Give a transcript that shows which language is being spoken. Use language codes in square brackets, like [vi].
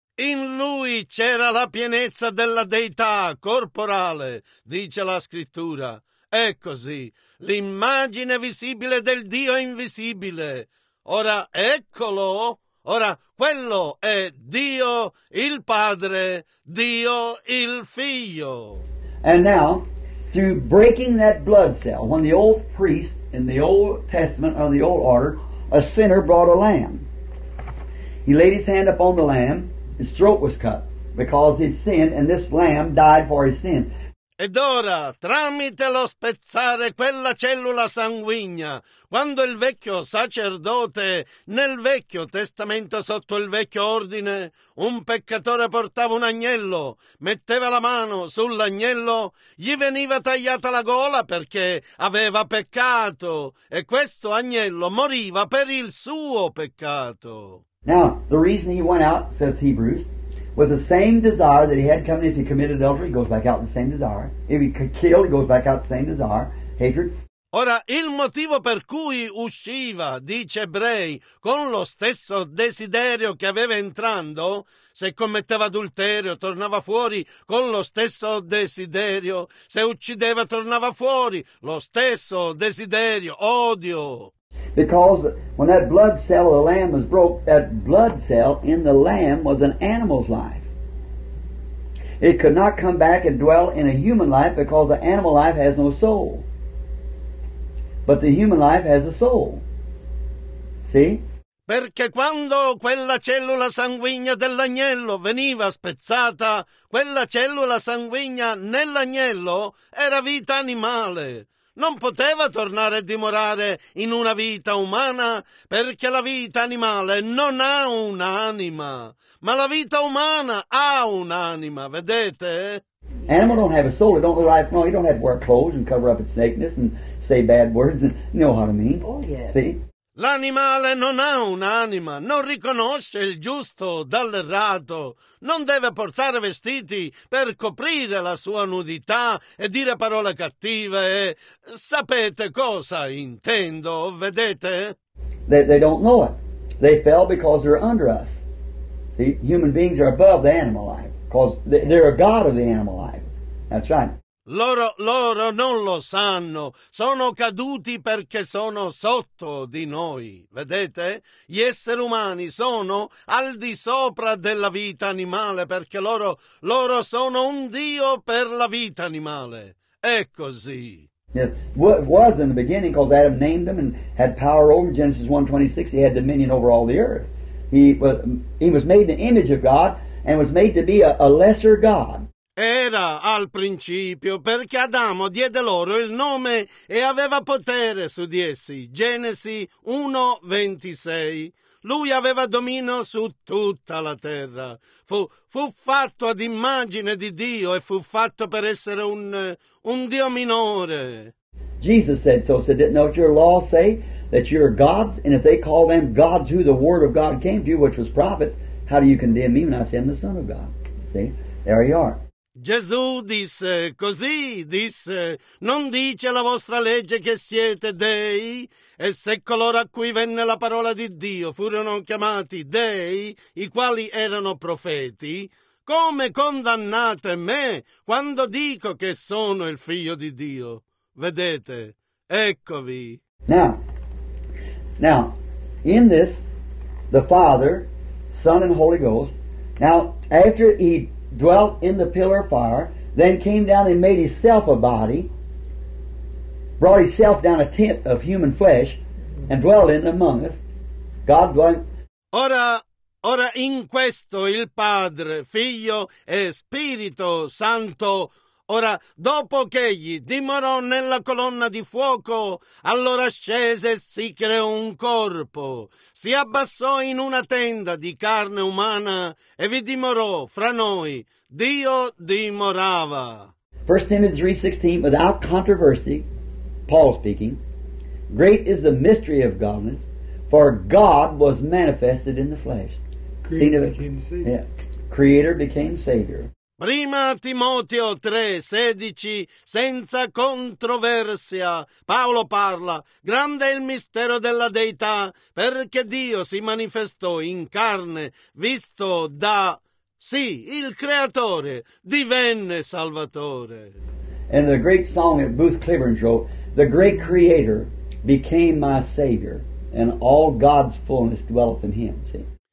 [it] In lui c'era la pienezza della deità corporale, dice la scrittura. È così, l'immagine visibile del Dio invisibile. Ora eccolo, Ora, quello è Dio il Padre, Dio il Figlio. [en] And now, through breaking that blood cell, when the old priest in the Old Testament or the old order, a sinner brought a lamb. He laid his hand upon the lamb, his throat was cut because he'd sinned, and this lamb died for his sin. [it] Ed ora, tramite lo spezzare quella cellula sanguigna, quando il vecchio sacerdote, nel Vecchio Testamento sotto il vecchio ordine, un peccatore portava un agnello, metteva la mano sull'agnello, gli veniva tagliata la gola perché aveva peccato, e questo agnello moriva per il suo peccato. [en] Now, the reason he went out, says Hebrews, with the same desire that he had coming, if he committed adultery, he goes back out the same desire. If he could kill, he goes back out the same desire. Hatred. [it] Ora, il motivo per cui usciva, dice Ebrei, con lo stesso desiderio che aveva entrando, se commetteva adulterio, tornava fuori con lo stesso desiderio, se uccideva, tornava fuori, lo stesso desiderio, odio. [en] Because when that blood cell of the lamb was broke, that blood cell in the lamb was an animal's life. It could not come back and dwell in a human life because the animal life has no soul. But the human life has a soul. See? [it] Perché quando quella cellula sanguigna dell'agnello veniva spezzata, quella cellula sanguigna nell'agnello era vita animale. Non poteva tornare a dimorare in una vita umana, perché la vita animale non ha un'anima, ma la vita umana ha un'anima, vedete? [en] Animal don't have a soul, it don't have life, no, it don't have to wear clothes and cover up its nakedness and say bad words, and you know what I mean? Oh, yeah. See? [it] L'animale non ha un'anima, non riconosce il giusto dall'errato, non deve portare vestiti per coprire la sua nudità e dire parole cattive. E sapete cosa intendo, vedete? [en] They don't know it. They fell because they're under us. See, human beings are above the animal life, because they're a god of the animal life. That's right. [it] Loro non lo sanno, sono caduti perché sono sotto di noi, vedete? Gli esseri umani sono al di sopra della vita animale perché loro sono un Dio per la vita animale, è così. [en] Yes. It was in the beginning because Adam named them and had power over Genesis 1:26, he had dominion over all the earth. He was made the image of God and was made to be a lesser God. [it] Era al principio, perché Adamo diede loro il nome e aveva potere su di essi. Genesi 1:26. Lui aveva dominio su tutta la terra. Fu fatto ad immagine di Dio e fu fatto per essere un Dio minore. [en] Jesus said so, didn't know what your law say, that you are gods, and if they call them gods who the word of God came to you, which was prophets, how do you condemn me when I say I'm the Son of God? See, there you are. [it] Gesù disse, così disse, non dice la vostra legge che siete dei? E se coloro a cui venne la parola di Dio furono chiamati dei, i quali erano profeti, come condannate me quando dico che sono il figlio di Dio? Vedete, eccovi. [en] Now, in this, the Father, Son and Holy Ghost, now, after he dwelt in the pillar of fire, then came down and made himself a body, brought himself down a tent of human flesh, and dwelt in among us. God dwelt. [it] Ora in questo il Padre, Figlio e Spirito Santo. Ora, dopo che egli dimorò nella colonna di fuoco, allora scese e si creò un corpo. Si abbassò in una tenda di carne umana e vi dimorò fra noi. Dio dimorava. [en] 1 Timothy 3:16, without controversy, Paul speaking, great is the mystery of godliness, for God was manifested in the flesh. Creator became Savior. Yeah. Creator became Savior. [it] Prima Timoteo 3:16, senza controversia, Paolo parla, grande è il mistero della Deità, perché Dio si manifestò in carne, visto da, sì, il Creatore, divenne Salvatore. [en] And the great song that Booth Cliburns wrote, the great Creator became my Savior, and all God's fullness dwelleth in him, see?